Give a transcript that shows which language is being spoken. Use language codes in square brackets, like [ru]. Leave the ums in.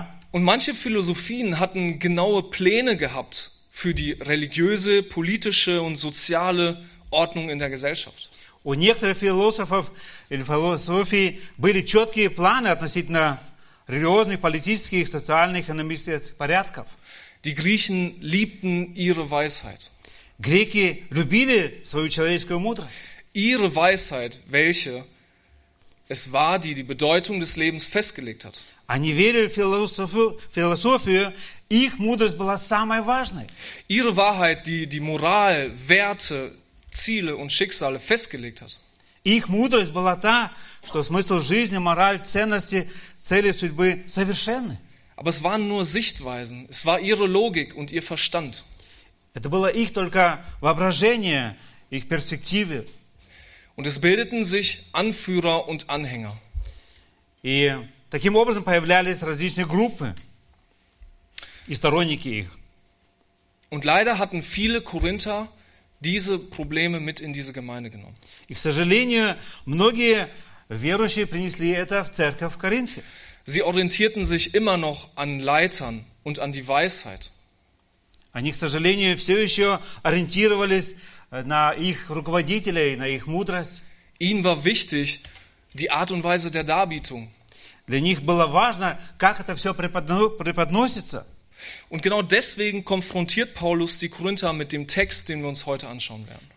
[de] Und manche Philosophien hatten genaue Pläne gehabt für die religiöse, politische und soziale Ordnung in der Gesellschaft. [ru] У некоторых философов или философии были четкие планы относительно религиозных, политических, социальных и порядков. [de] Die Griechen liebten ihre Weisheit. [ru] Греки любили свою человеческую мудрость. [de] Ihre Weisheit, welche es war, die die Bedeutung des Lebens festgelegt hat. [ru] Они верили в философию, философию, их мудрость была самой важной. [de] Ihre Wahrheit, die die Moral, Werte, Ziele und Schicksale festgelegt hat. [ru] Их мудрость была та, что смысл жизни, мораль, ценности, цели судьбы совершенны. [de] Aber es waren nur Sichtweisen, es war ihre Logik und ihr Verstand. [ru] Это было их только воображение, их перспективы. [de] Und es bildeten sich Anführer und Anhänger. [ru] таким образом появлялись различные группы и их. [de] Und leider hatten viele Korinther diese Probleme mit in diese Gemeinde genommen. [ru] И, к сожалению, многие верующие принесли это в церковь в [de] Sie orientierten sich immer noch an Leitern und an die Weisheit. [ru] Они, к сожалению, все еще ориентировались на их руководителей, на их мудрость. [de] Ihnen war wichtig die Art und Weise der Darbietung. [ru] Для них было важно, как это все преподносится. [de] Und genau deswegen konfrontiert Paulus die Korinther mit dem Text, den wir uns heute anschauen werden.